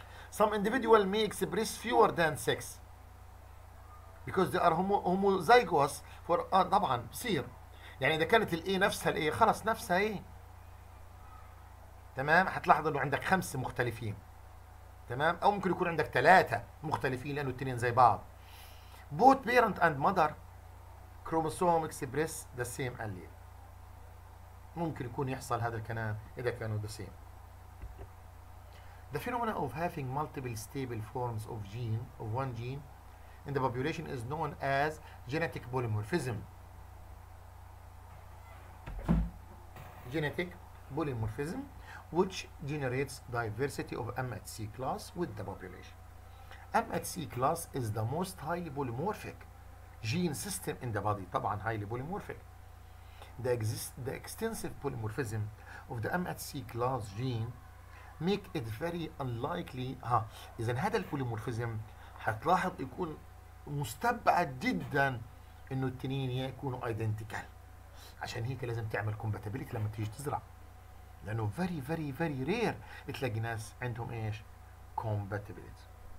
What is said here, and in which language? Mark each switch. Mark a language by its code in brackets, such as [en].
[en] Some individual may express fewer than 6 because they are homozygous for [ar] طبعا بصير يعني اذا كانت الA نفسها الA خلاص نفسها A، تمام؟ هتلاحظ انه عندك خمس مختلفين، تمام؟ او ممكن يكون عندك ثلاثة مختلفين لانه الاثنين زي بعض. [en] Both parent and mother chromosome express the same allele. [ar] ممكن يكون يحصل هذا الكلام اذا كانوا [en] the same. The phenomenon of having multiple stable forms of gene of one gene in the population is known as genetic polymorphism. Genetic polymorphism which generates diversity of MHC class with the population. MHC class is the most highly polymorphic gene system in the body. طبعا highly polymorphic. The extensive polymorphism of the MHC class gene make it very unlikely. [ar] إذا هذا البوليمورفيزم هتلاحظ يكون مستبعد جدا إنه التنين يكونوا identical. عشان هيك لازم تعمل compatibility لما تيجي تزرع. لانه [en] very very very rare [ar] تلاقي ناس عندهم ايش؟ compatibility.